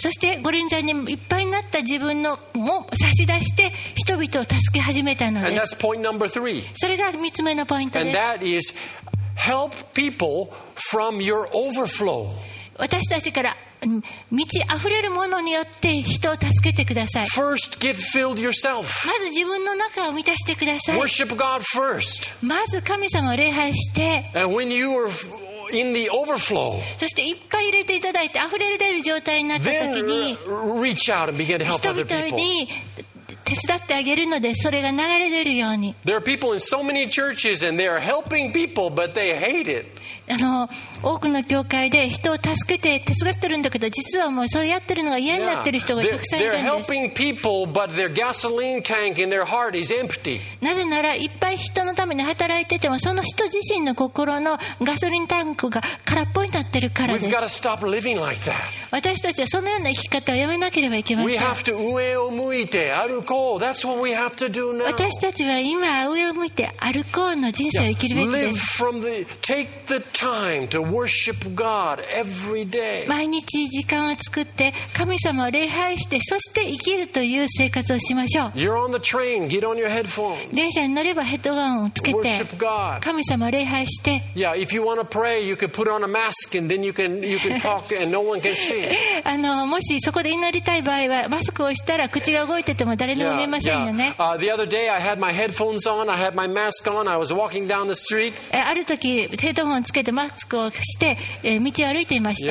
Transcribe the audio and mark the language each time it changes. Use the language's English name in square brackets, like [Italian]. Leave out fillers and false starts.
[Japanese] そしてご臨在にいっぱいになった自分のも差し出して人々を助け始めたのです。それが3つ目のポイントです。 [English] Help people from your overflow. [Japanese] 私たちから満ち溢れるものによって人を助けてください。 [English] First, get filled yourself. [Japanese] まず自分の中を満たしてください。 [English] Worship God first. [Japanese] まず神様を礼拝して、 [English] And when you are in the overflow, [Japanese] そしていっぱい入れていただいて溢れ出る状態になった時に、 [English] Then, reach out and begin to help other people. [Japanese] 人々に手伝ってあげるのでそれが流れ出るように。 [English] There are people in so many churches and they are helping people but they hate it. [Japanese] 多くの教会で人を助けて手伝ってるんだけど実はもうそれやってるのが嫌になってる人がたくさんいるんです。 [English] Yeah. They're helping people but their gasoline tank in their heart is empty. [Japanese] なぜならいっぱい人のために働いててもその人自身の心のガソリンタンクが空っぽになってるからです。 [English] We've got to stop living like that. [Japanese] 私たちはそのような生き方をやめなければいけません。 [English] We have to [Japanese] 上を向いて歩こう。 [English] That's what we have to do now. [Japanese] 私たちは今上を向いて歩こうの人生を生きるべきです。 [English] Live from the take the time to worship God every day. [Japanese] 毎日時間を作って神様を礼拝してそして生きるという生活をしましょう。 [English] You're on the train. Get on your headphones. [Japanese] 電車に乗ればヘッドホンをつけて [English] worship God. [Japanese] 神様を礼拝して。 [English] Yeah, if you want to pray, you can put on a mask and then you can talk and no one can see. [Japanese] もしそこで祈りたい場合はマスクをしたら口が動いてても誰にも見えませんよね。 [English] yeah, yeah. The other day I had my headphones on, I had my mask on, I was walking down the street. [Japanese] ある時ヘッドホンつけてマスクをして道を歩いていました。